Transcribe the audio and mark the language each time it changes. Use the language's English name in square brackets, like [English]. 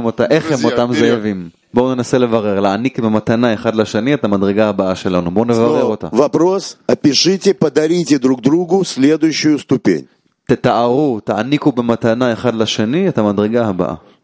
[Hebrew] איך הם אותם זאבים? בואו ננסה לברר, להעניק במתנה אחד לשני את המדרגה הבאה שלנו. בואו נברר אותה. [Russian] Вопрос, опишите, подарите друг другу следующую ступень. [Hebrew] תתארו, תעניקו במתנה אחד לשני את המדרגה הבאה.